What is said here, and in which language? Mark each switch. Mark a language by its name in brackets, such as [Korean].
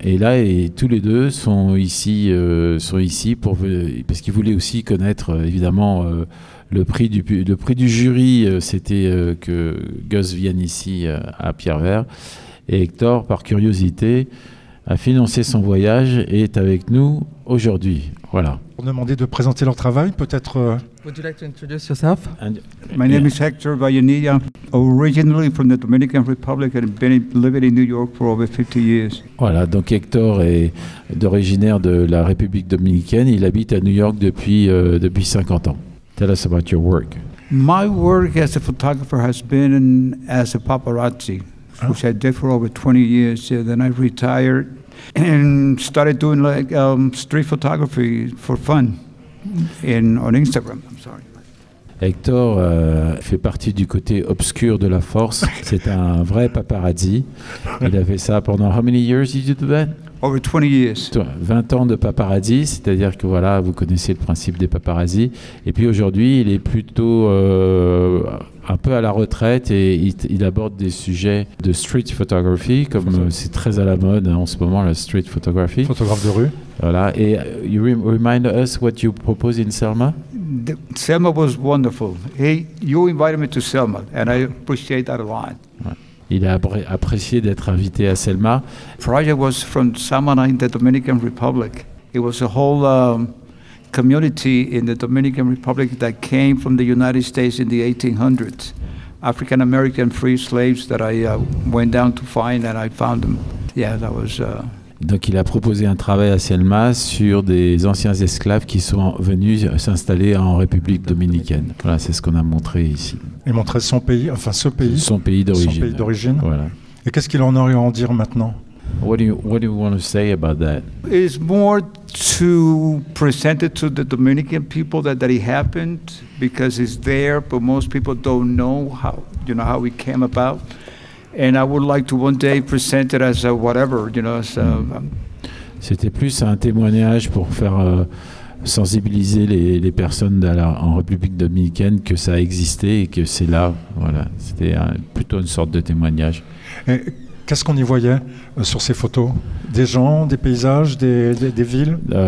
[French] Et là, tous les deux sont ici parce qu'ils voulaient aussi connaître, évidemment, le prix du jury. C'était que Gus vienne ici à Pierre Vert. Et Hector, par curiosité, a financé son voyage et est avec nous aujourd'hui. Voilà. On demandait de présenter leur travail, peut-être. [English] Would you like to introduce yourself? My name is Hector Vallenilla, originally from the Dominican Republic and been living in New York for over 50 years. [French] Voilà, donc Hector est d'origine de la République dominicaine. Il habite à New York depuis 50 ans. [English] Tell us about your work. My work as a photographer has been as a paparazzi, which I did for over 20 years. Yeah, then I retired and started doing like street photography for fun on Instagram. I'm sorry. [French] Hector fait partie du côté obscur de la force. C'est un vrai paparazzi. Il a fait ça pendant [English] how many years did you do that? Over 20 years. [French] 20 ans de paparazzi, c'est-à-dire que voilà, vous connaissez le principe des paparazzi. Et puis aujourd'hui, il est plutôt un peu à la retraite et il aborde des sujets de street photography, comme c'est très à la mode en ce moment, la street photography. Photographe de rue. Voilà. Et [English] you remind us what you propose in Selma? Selma was wonderful. Hey, you invited me to Selma and I appreciate that a lot. [French] Ouais. Il a apprécié d'être invité à Selma. [English] Project was from Samana in the Dominican Republic. It was a whole community in the Dominican Republic that came from the United States in the 1800s. African American free slaves that I went down to find and I found them. Yeah, that was [French] Donc il a proposé un travail à Selma sur des anciens esclaves qui sont venus s'installer en République dominicaine. Voilà, c'est ce qu'on a montré ici. Et montrer son pays, enfin ce pays. Son pays d'origine. Son pays d'origine. Voilà. Et qu'est-ce qu'il en a à en dire maintenant? [English] What do you want to say about that? It's more to present it to the Dominican people that it happened because it's there, but most people don't know how, you know, how it came about. And I would like to one day present it as a whatever, you know. As a, [French] C'était plus un témoignage pour faire sensibiliser les personnes en République dominicaine que ça existait et que c'est là. Voilà. C'était plutôt une sorte de témoignage. Et qu'est-ce qu'on y voyait sur ces photos? Des gens, des paysages, des villes?